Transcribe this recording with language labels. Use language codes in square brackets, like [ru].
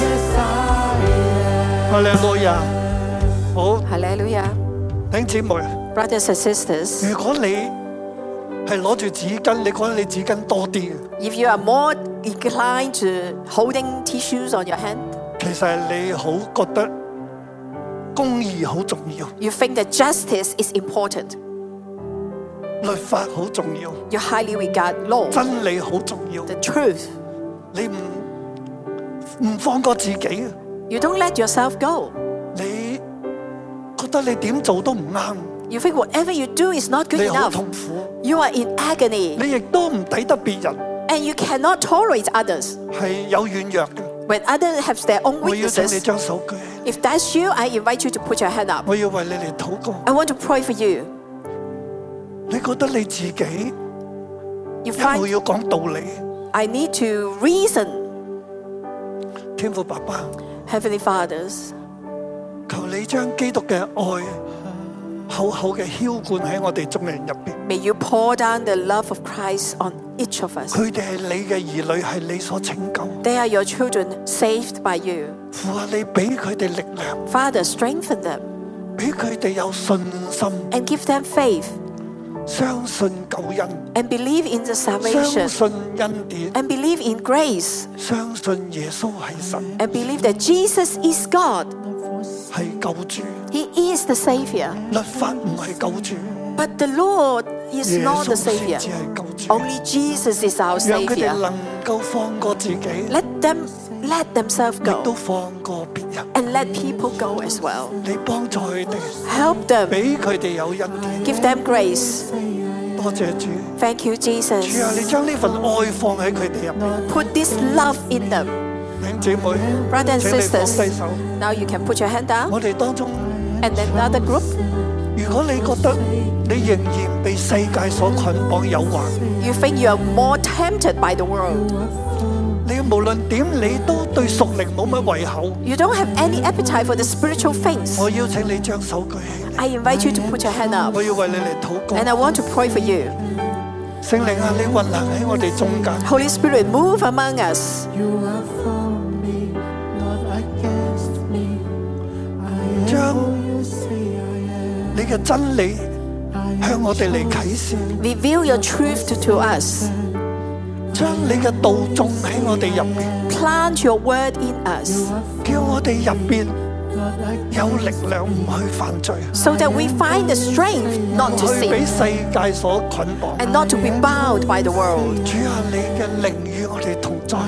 [en] Yes, I am. Hallelujah. [yue] 好。 [en] Hallelujah. [yue] 弟兄姊妹。 [en] Brothers and sisters. [yue] 如果你系攞住纸巾，你觉得你纸巾多啲。 [en] If you are more inclined to holding tissues on your hand. [yue] 其实你好觉得公义好重要。 [en] You think that justice is important. [yue] 律法好重要。 [en] You highly regard law. [yue] 真理好重要。 [en] The truth. [yue] 你唔放过自己。 [en] You don't let yourself go. [yue] 你觉得你点做都唔啱。 [en] You think whatever you do is not good enough. [yue] 你好痛苦。 [en] You are in agony. [yue] 你亦都唔抵得别人。 [en] And you cannot tolerate others. [yue] 是有软弱的。 [en] When others have their own weaknesses. [yue] 我要请你张手举。 [en] If that's you, I invite you to put your hand up. [yue] 我要为你来祷告。 [en] I want to pray for you. [yue] 你觉得你自己一路要讲道理。 [en] I need to reason. [yue] 天父爸爸。 [en] Heavenly Fathers. [yue] 求你将基督的爱厚厚的浇灌在我们众人里面。 [en] May you pour down the love of Christ on each of us. [yue] 他们是你的儿女，是你所拯救。 [en] They are your children saved by you. [yue] 父啊，你给他们力量。 [en] Father, strengthen them. [yue] 给他们有信心。 [en] And give them faith. [yue] 相信救恩。 [en] And believe in the salvation. [yue] 相信恩典。 [en] And believe in grace. [yue] 相信耶稣是神。 [en] And believe that Jesus is God. [yue] 是救主。 [en] He is the Savior. [yue] 律法不是救主。 [en] But the Lord is not the Savior. [yue] 耶稣才是救主。 [en] Only Jesus is our Savior. [yue] 让他们能够放过自己。 [en] Let themselves go. [yue] 也都放过别人。 [en] And let people go as well. [yue] 你帮助他们。 [en] Help them. [yue] 给他们有恩典。 [en] Give them grace. [yue] 多谢主。 [en] Thank you, Jesus. [yue] 主啊，你将这份爱放在他们里面。 [en] Put this love in them. Brothers and sisters, now you can put your hand down. [yue] 我们当中 [en] and another group. [yue] 如果你觉得你仍然被世界所捆绑诱惑 [en] you think you are more tempted by the world. [yue] 你无论点你都对属灵冇乜胃口 [en] you don't have any appetite for the spiritual things. [yue] 我邀请你将手举起 [en] I invite you to put your hand up. [yue] 我要为你来祷告 [en] and I want to pray for you. [yue] 圣灵啊，你运行喺我哋中间。 [en] Holy Spirit, move among us. You are for me, not against me. [yue] 将你嘅真理向我哋嚟启示。 [en] Reveal your truth to us. [yue] 将你嘅道种喺我哋入边。 [en] Plant your word in us. [yue] 叫我哋入边有力量唔去犯罪。 [en] So that we find the strength not to sin. [yue] 唔去俾世界所捆绑。 [en] And not to be bound by the world. [yue] 主啊，你嘅灵与我哋同在。